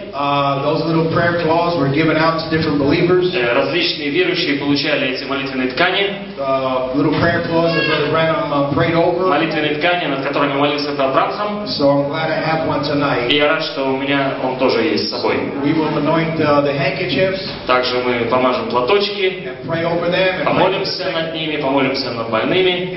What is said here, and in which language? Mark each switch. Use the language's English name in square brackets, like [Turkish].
[English] those little prayer cloths were given out to different believers. [Russian] Различные верующие получали эти молитвенные ткани. [English] Little prayer cloths that Brother Branham prayed over. [Russian] Молитвенные ткани, над которыми молился брат Бранхам. [English] So I'm glad I have one tonight. [Russian] И я рад, что у меня он тоже есть с собой. [English] We will anoint the handkerchiefs. [Russian] Также мы помажем платочки. [English] And pray over them. [Russian] Помолимся над ними, помолимся над больными.